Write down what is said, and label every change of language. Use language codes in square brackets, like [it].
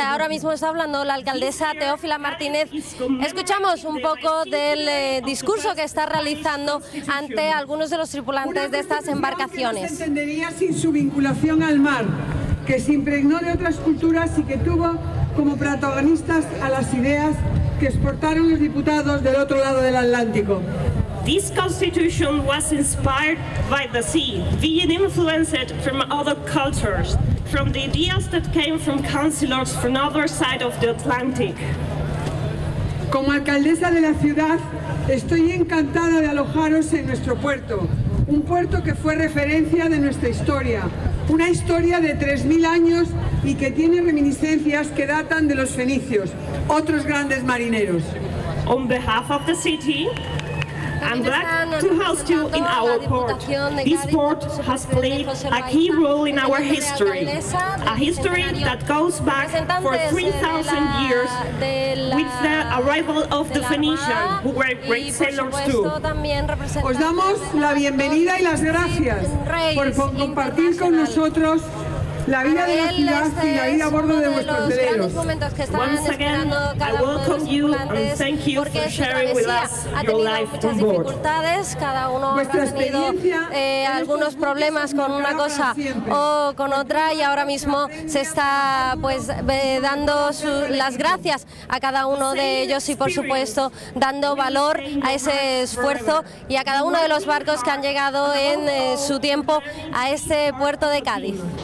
[es] Ahora mismo está hablando la alcaldesa Teófila Martínez. Escuchamos un poco del discurso que está realizando ante algunos de los tripulantes de estas embarcaciones. No se entendería sin su vinculación al mar, que se impregnó de otras culturas y que tuvo como protagonistas a las ideas que exportaron los diputados del otro lado del Atlántico. [en] This constitution was inspired by the sea, being influenced from other cultures, from the ideas that came from councillors from the other side of the Atlantic. [es] Como alcaldesa de la ciudad, estoy encantada de alojaros en nuestro puerto. Un puerto que fue referencia de nuestra historia, una historia de 3.000 años y que tiene reminiscencias que datan de los fenicios, otros grandes marineros. [en] On behalf of the city, I'm glad to host you in our port. This port has played a key role in our history, a history that goes back for 3,000 years with the arrival of the Phoenicians, who were great sailors too. [es] Os damos la bienvenida y las gracias por compartir con nosotros la vida de la ciudad y la vida a bordo de vuestros veleros. [en] Once again, I welcome you and thank you for sharing with us your life on board. [es] Cada uno ha tenido algunos problemas con una cosa o con otra, y ahora mismo se está pues dando las gracias a cada uno de ellos y, por supuesto, dando valor a ese esfuerzo y a cada uno de los barcos que han llegado en su tiempo a este puerto de Cádiz.